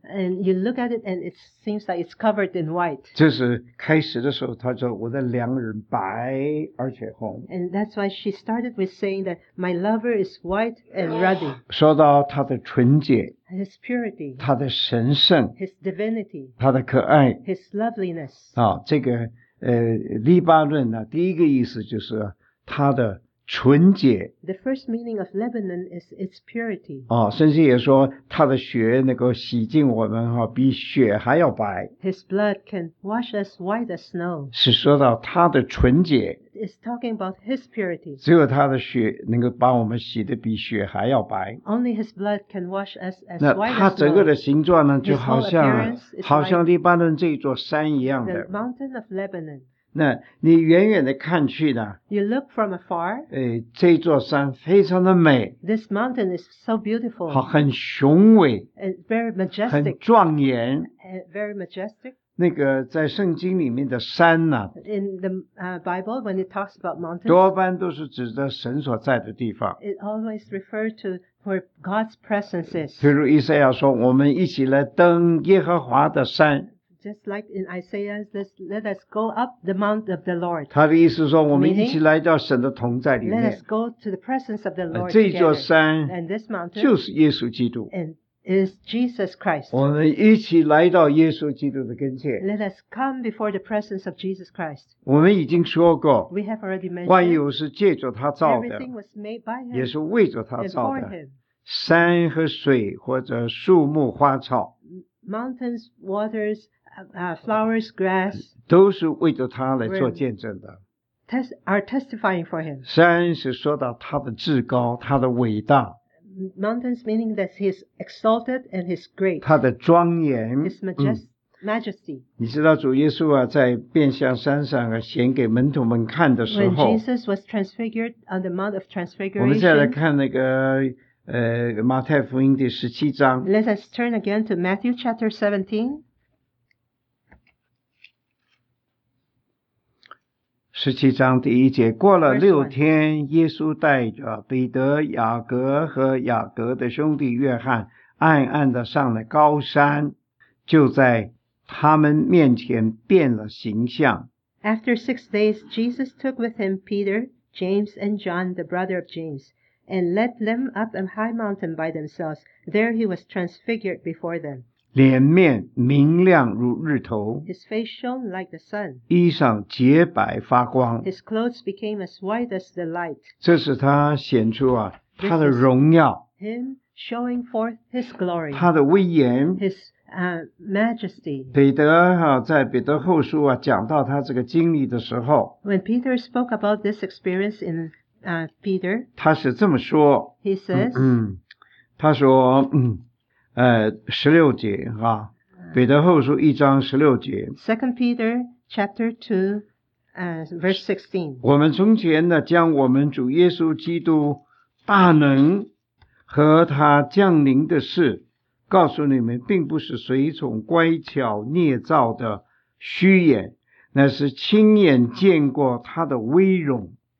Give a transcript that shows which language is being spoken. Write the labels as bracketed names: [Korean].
[English] and you look at it and it seems like it's covered in white [Chinese] 就是开始的时候他说我的良人白而且红 [English] and that's why she started with saying that my lover is white and ruddy [Chinese] 说到他的纯洁 [English] his purity [Chinese] 他的神圣 [English] his divinity [Chinese] 他的可爱 [English] his loveliness [Chinese] 这个黎巴嫩呢第一个意思就是他的纯洁 [English] The first meaning of Lebanon is its purity. [Chinese] 甚至也说他的血能够洗净我们比雪还要白 [English] His blood can wash us white as snow. [Chinese] 是说到他的纯洁 [English] It's talking about his purity. [Chinese] 只有他的血能够把我们洗得比雪还要白 [English] Only his blood can wash us as white as snow. 那 [Chinese] 他整个的形状呢就好像 好像黎巴嫩这座山一样的 [English] The mountain of Lebanon. [Chinese] 那你远远的看去呢 [English] You look from afar [Chinese] 这座山非常的美 [English] This mountain is so beautiful [Chinese] 很雄伟 [English] Very majestic [Chinese] 很壮严 [English] Very majestic [Chinese] 那个在圣经里面的山呢 [English] In the Bible when it talks about mountains [Chinese] 多半都是指着神所在的地方 [English] It always refers to where God's presence is [Chinese] 比如以赛亚说我们一起来登耶和华的山 [English] Just like in Isaiah, let us go up the mount of the Lord. [Chinese] 他的意思说，我们一起来到神的同在里面。 [English] Let us go to the presence of the Lord. [Chinese] 这座山 [English] and this mountain [Chinese] 就是耶稣基督。 [English] And is Jesus Christ. [Chinese] 我们一起来到耶稣基督的跟前。 [English] Let us come before the presence of Jesus Christ. [Chinese] 我们已经说过 [English] ，We have already mentioned. [Chinese] 万有是借着他造的 [English] ，Everything was made by him. [Chinese] 也是为着他造的。 [English] And for him. [Chinese] 山和水或者树木花草 [English] ，Mountains, waters. Flowers, grass, [Chinese] 都是为着他来做见证的 [English] are testifying for him. [Chinese] 山是说到他的至高，他的伟大。 [English] Mountains meaning that he is exalted and he is great. [Chinese] 他的庄严。 [English] His majesty. [Chinese] 你知道主耶稣啊，在变相山上啊，显给门徒们看的时候。 [English] When Jesus was transfigured on the Mount of Transfiguration. [Chinese] 我们再来看那个马太福音第十七章。 [English] Let us turn again to Matthew chapter 17. [Chinese] 十七章第一节，过了六天，耶稣带着彼得、雅各和雅各的兄弟约翰暗暗地上了高山，就在他们面前变了形象。 [English] After 6 days, Jesus took with him Peter, James, and John, the brother of James, and led them up a high mountain by themselves. There he was transfigured before them. [Chinese] 脸面明亮如日头。 [English] His face shone like the sun. [Chinese] 衣裳洁白发光。 [English] His clothes became as white as the light. [Chinese] 这是他显出啊，他的荣耀。 [English] This is him showing forth his glory. [Chinese] 他的威严。 [English] His majesty. [Chinese] 彼得啊，在彼得后书啊，讲到他这个经历的时候。 [English] When Peter spoke about this experience in Peter, [Chinese] 他是这么说。 [English] He says, [Chinese] 他说，十六节啊，彼得后书一章十六节。 [English] Second Peter chapter 2, verse 16. [Chinese] 我们从前呢，将我们主耶稣基督大能和他降临的事告诉你们，并不是随从乖巧捏造的虚言，乃是亲眼见过他的威容。